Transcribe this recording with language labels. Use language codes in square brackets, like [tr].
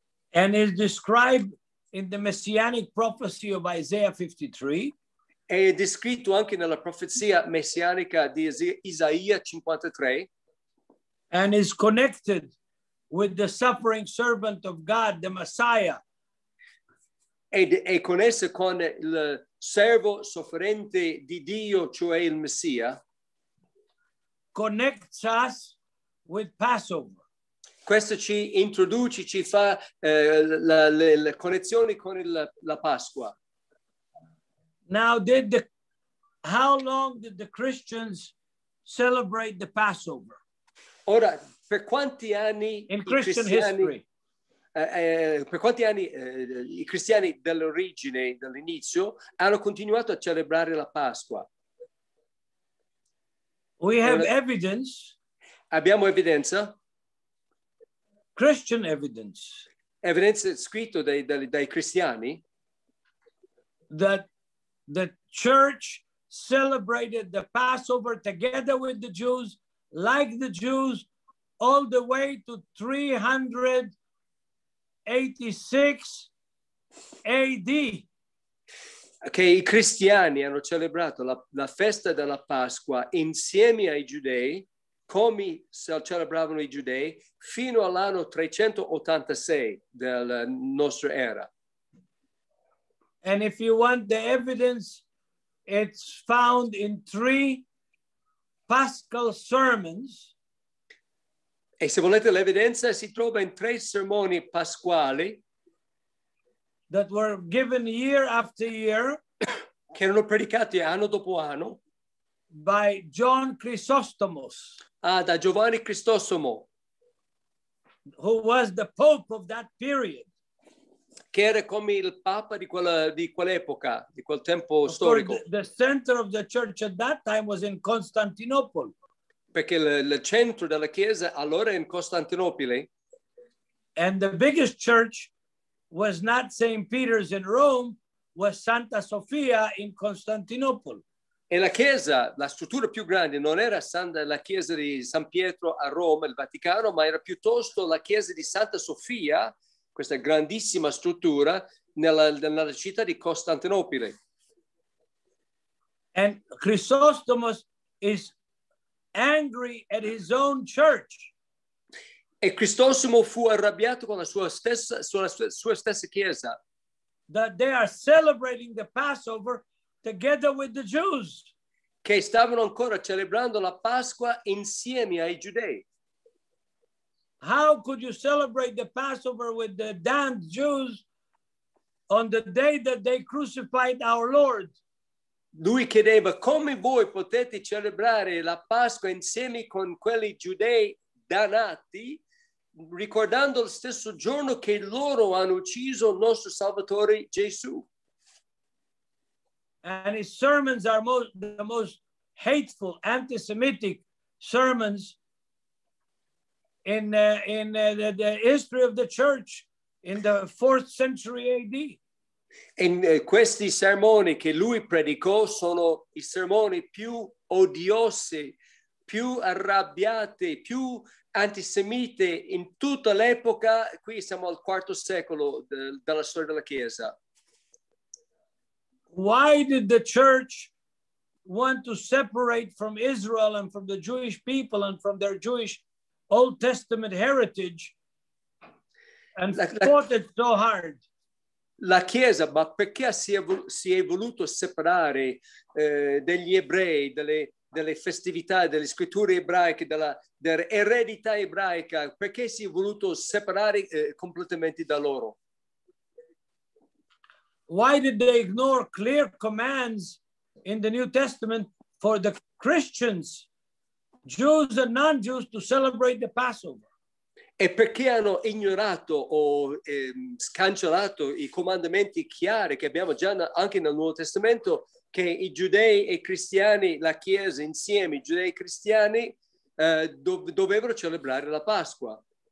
[en] And is described in the messianic prophecy of Isaiah 53. [it] È descritto anche nella profezia messianica di Isaia 53. [en] And is connected with the suffering servant of God, the Messiah. [it] E connesse con il servo sofferente di Dio, cioè il Messia. [en] Connects us with Passover. [it] Questo ci introduce, ci fa le connessioni con la Pasqua. [en] Now, how long did the Christians celebrate the Passover? [it] Ora, per quanti anni [en] in Christian history? [it] Per quanti anni i cristiani dall'origine, dall'inizio, hanno continuato a celebrare la Pasqua? [en] We have evidence. [it] Abbiamo evidenza. [en] Christian evidence. [it] Evidenza scritta dai cristiani. [en] That the church celebrated the Passover together with the Jews, like the Jews, all the way to 386 AD. [it] Okay, i cristiani hanno celebrato la festa della Pasqua insieme ai giudei, come se celebravano i giudei, fino all'anno 386 della nostra era. [en] And if you want the evidence, it's found in 3 Paschal sermons. [it] E se volete l'evidenza, si trova in 3 sermoni pasquali. [en] That were given year after year. [it] Che erano predicati anno dopo anno. [en] By John Chrysostomus. [it] Ah, da Giovanni Cristosomo. [en] Who was the Pope of that period. [it] Che era come il Papa di quella di quell'epoca, di quel tempo storico. [en] Of course, the center of the church at that time was in Constantinople. [it] Perché il centro della chiesa allora è in Costantinopoli. [en] And the biggest church was not St. Peter's in Rome, was Santa Sofia in Constantinople. [it] E la chiesa, la struttura più grande, non era la chiesa di San Pietro a Roma, il Vaticano, ma era piuttosto la chiesa di Santa Sofia, questa grandissima struttura, nella città di Costantinopoli. [en] And Chrysostomus is angry at his own church. [it] E Cristosimo fu arrabbiato con la sua stessa chiesa. [en] That they are celebrating the Passover together with the Jews. [it] Che stavano ancora celebrando la Pasqua insieme ai giudei. [en] How could you celebrate the Passover with the damned Jews on the day that they crucified our Lord? [it] Lui chiedeva, come voi potete celebrare la Pasqua insieme con quelli giudei dannati? Ricordando lo stesso giorno che loro hanno ucciso il nostro Salvatore Gesù. [en] And his sermons are the most hateful, anti-Semitic sermons in the history of the church in the 4th century AD. [it] In questi sermoni che lui predicò sono i sermoni più odiosi, più arrabbiati, più antisemite in tutta l'epoca. Qui siamo al 4th secolo della storia della Chiesa. [en] Why did the church want to separate from Israel and from the Jewish people and from their Jewish Old Testament heritage and fought it so hard? [it] La Chiesa, ma perché si è voluto separare degli ebrei, delle festività, delle scritture ebraiche, dell'eredità ebraica, perché si è voluto separare completamente da loro? [en] Why did they ignore clear commands in the New Testament for the Christians, Jews and non-Jews, to celebrate the Passover? [it] E perché hanno ignorato o scancellato i comandamenti chiari che abbiamo già anche nel Nuovo Testamento, che i giudei e i cristiani, la Chiesa insieme, i giudei e i cristiani, dovevano celebrare la Pasqua?